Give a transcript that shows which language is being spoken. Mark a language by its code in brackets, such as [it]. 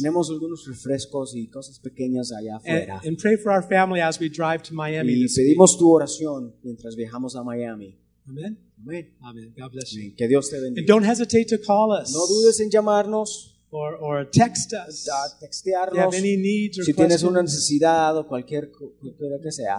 [es] Tenemos algunos refrescos y cosas pequeñas allá afuera. [en] And pray for our family as we drive to Miami. [es] Y pedimos tu oración mientras viajamos a Miami. Amen. Amen. [en] Amen. God bless you. [es] Que Dios te bendiga. [en] And don't hesitate to call us. [es] No dudes en llamarnos. [en] Or text us. [es] Textearnos. [en] If you have any needs or [es] si tienes una necesidad o cualquier que sea.